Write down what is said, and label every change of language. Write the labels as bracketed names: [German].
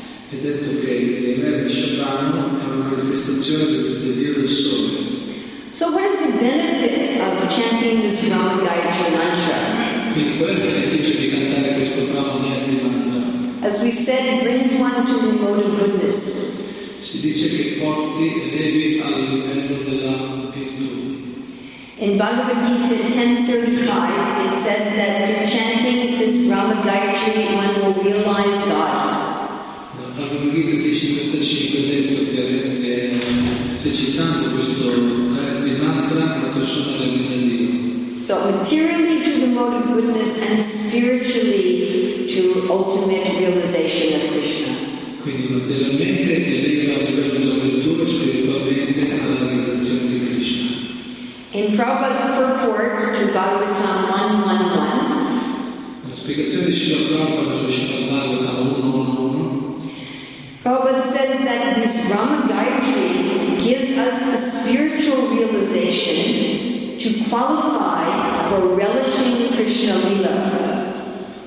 [Italian] È detto che il re Vrishabhanu è una manifestazione del dio del sole. [English] So what is the benefit of chanting this Brahma Gayatri mantra? [Italian] Quindi qual è il beneficio di cantare questo Brahma Gayatri mantra? [English] As we said, it brings one to the mode of goodness. [Italian] si dice che porti elevi al livello della virtù. [English] In Bhagavad Gita 10.35 it says that through chanting this Brahma Gayatri one will realize God. [Italian] La Bhagavad Gita 10.35 ha detto che recitando questo mantra la persona realizza Dio. [English] So materially to the mode of goodness and spiritually to ultimate realization of Krishna. [Italian] Quindi materialmente eleva a livello della virtù e spiritualmente alla realizzazione di Krishna. [English] In Prabhupada's purport to Bhagavatam 111, [Italian] la spiegazione di Srila Prabhupada nello Srimad Bhagavatam 111, [English] Prabhupada says that this Rama Gayatri gives us the spiritual realization to qualify for relishing Krishna Lila.